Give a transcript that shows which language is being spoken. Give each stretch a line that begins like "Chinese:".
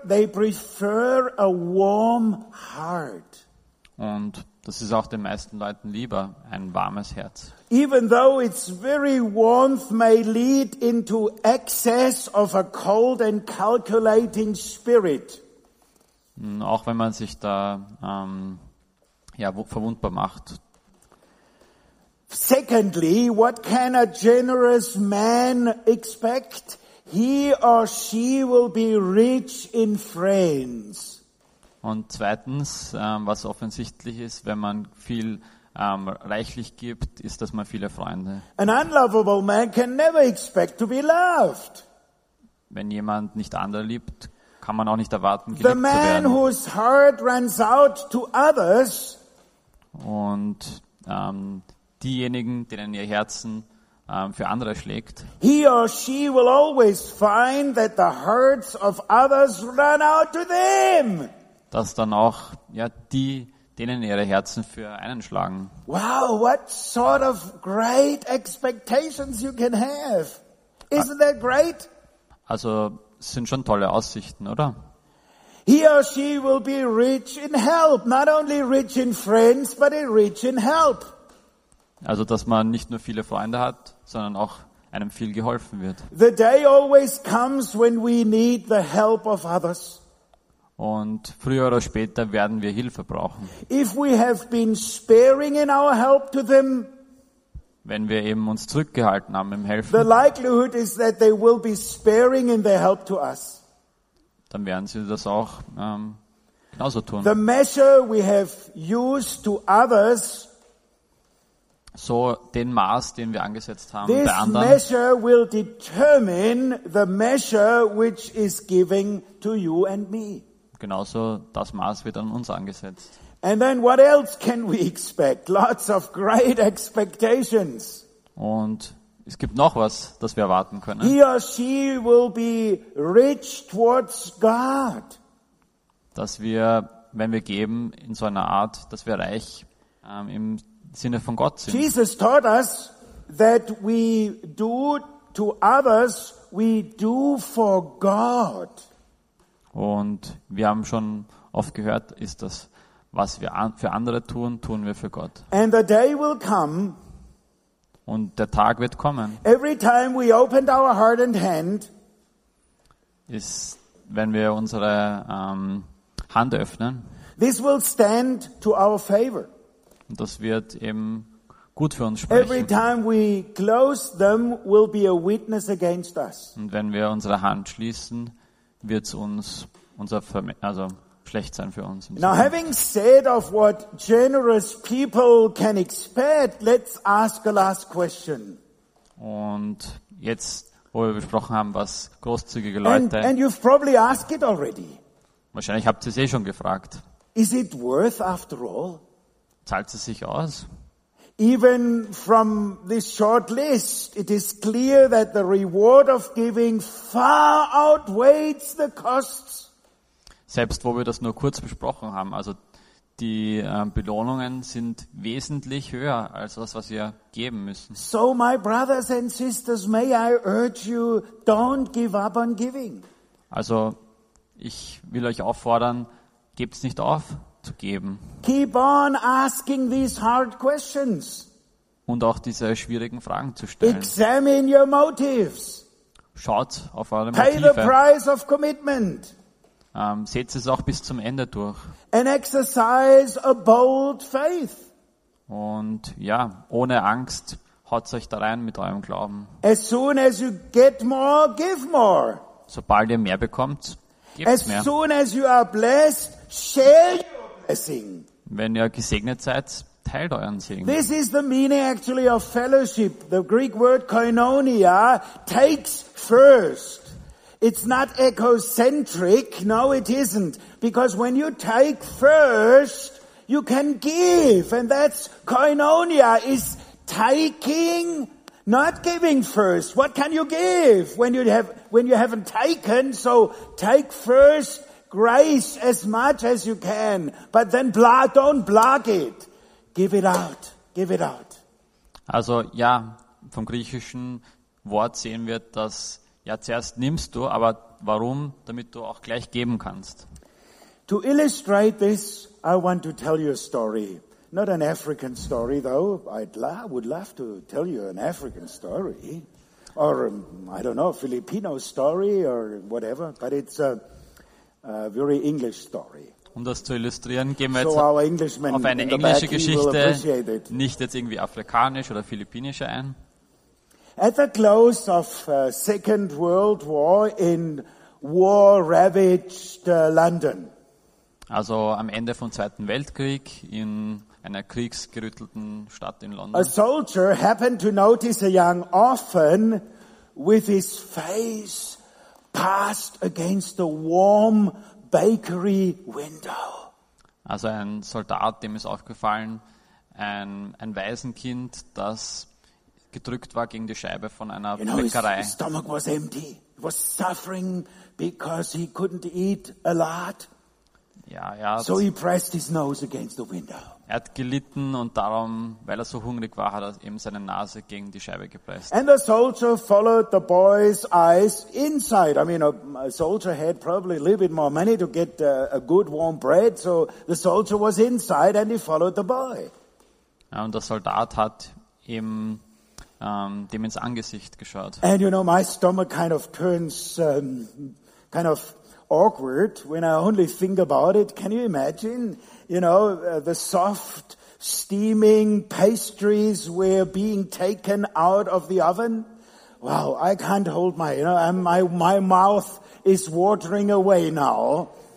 English: They prefer a warm heart.
German: Und das ist auch den meisten Leuten lieber, ein warmes Herz.
English: Even though its very warmth may lead into excess of a cold and calculating spirit.
German: Auch wenn man sich da verwundbar macht.
English: Secondly, what can a generous man expect? He or she will be rich in friends.
German: Und zweitens, was offensichtlich ist, wenn man viel reichlich gibt, ist, dass man viele Freunde.
English: An unlovable man can never expect to be loved.
German: Wenn jemand nicht andere liebt, kann man auch nicht erwarten, geliebt zu werden.
English: The man whose heart runs out to others.
German: Und diejenigen, denen ihr Herzen für andere schlägt.
English: He or she will always find that the hearts of others run out to them.
German: Dass dann auch die, denen ihre Herzen für einen schlagen.
English: Wow, what sort of great expectations you can have. Isn't that great?
German: Also, sind schon tolle Aussichten, oder?
English: He or she will be rich in help, not only rich in friends, but rich in help.
German: Also, dass man nicht nur viele Freunde hat, sondern auch einem viel geholfen wird.
English: The day always comes when we need the help of others.
German: Und früher oder später werden wir Hilfe brauchen.
English: If we have been sparing in our help to them,
German: wenn wir eben uns zurückgehalten haben im Helfen,
English: the likelihood is that they will be sparing in their help to us.
German: Dann werden sie das auch genauso tun.
English: The measure we have used to others,
German: so den Maß, den wir angesetzt haben bei anderen,
English: this measure will determine the measure which is giving to you and me.
German: Genauso das Maß wird an uns angesetzt.
English: And then what else can we expect? Lots of great expectations.
German: Und es gibt noch was, das wir erwarten können.
English: He or she will be rich towards God.
German: Dass wir, wenn wir geben, in so einer Art, dass wir reich im Sinne von Gott sind.
English: Jesus taught us that we do to others, we do for God.
German: Und wir haben schon oft gehört, ist das, was wir für andere tun, tun wir für Gott.
English: And the day will come.
German: Und der Tag wird kommen.
English: Every time we opened our heart and hand,
German: ist, wenn wir unsere Hand öffnen,
English: this will stand to our favor.
German: Und das wird eben gut für uns sprechen.
English: Every time we close them, will be a witness against us.
German: Und wenn wir unsere Hand schließen, wird es uns unser also schlecht sein für uns.
English: Now, having said of what generous people can expect, let's ask a last question.
German: Und jetzt, wo wir besprochen haben, was großzügige Leute.
English: And you've probably asked it already.
German: Wahrscheinlich habt ihr es schon gefragt.
English: Is it worth after all?
German: Zahlt es sich aus?
English: Even from this short list, it is clear that the reward of giving far outweighs the costs.
German: Selbst wo wir das nur kurz besprochen haben, also die Belohnungen sind wesentlich höher als das, was wir geben müssen.
English: So, my brothers and sisters, may I urge you, don't give up on giving.
German: Also, ich will euch auffordern, gebt es nicht auf. Zu geben.
English: Keep on asking these hard questions.
German: Und auch diese schwierigen Fragen zu stellen.
English: Examine your motives.
German: Schaut auf eure Motive.
English: Pay the price of commitment.
German: Seht es auch bis zum Ende durch.
English: And exercise a bold faith.
German: Und ja, ohne Angst, haut euch da rein mit eurem Glauben.
English: As soon as you get more, give more.
German: Sobald ihr mehr bekommt, gebt as mehr.
English: As soon as you are blessed, share.
German: Wenn ihr gesegnet seid, teilt euren Segen.
English: This is the meaning actually of fellowship. The Greek word koinonia takes first. It's not egocentric. No, it isn't. Because when you take first, you can give. And that's koinonia, is taking, not giving first. What can you give when you haven't taken? So take first. Grace as much as you can, but then don't block it. Give it out. Give it out.
German: Also, ja, vom griechischen Wort sehen wir, dass, ja, zuerst nimmst du, aber warum? Damit du auch gleich geben kannst.
English: To illustrate this, I want to tell you a story. Not an African story, though. I would love to tell you an African story. Or, I don't know, a Filipino story or whatever, but it's a very English story.
German: Um das zu illustrieren, gehen wir jetzt auf eine englische Geschichte, nicht jetzt irgendwie afrikanisch oder philippinisch ein.
English: At the close of Second World War in war-ravaged London.
German: Also am Ende vom Zweiten Weltkrieg in einer kriegsgerüttelten Stadt in London.
English: A soldier happened to notice a young orphan with his face passed against the warm bakery window.
German: Also ein Soldat, dem ist aufgefallen, ein Waisenkind, das gedrückt war gegen die Scheibe von einer Bäckerei.
English: His stomach was empty. He was suffering because he couldn't eat a lot. So he pressed his nose against the window.
German: Er hat gelitten und darum, weil er so hungrig war, hat er eben seine Nase gegen die Scheibe gepresst.
English: And the soldier followed the boy's eyes inside. I mean, a soldier had probably a little bit more money to get a good warm bread, so the soldier was inside and he followed the boy.
German: Ja, und der Soldat hat eben dem ins Angesicht geschaut.
English: And you know, my stomach kind of turns kind of awkward when I only think about it. Can you imagine? You know, the soft steaming pastries were being taken out of the oven. Wow, I can't hold my, you know, my mouth is watering away now.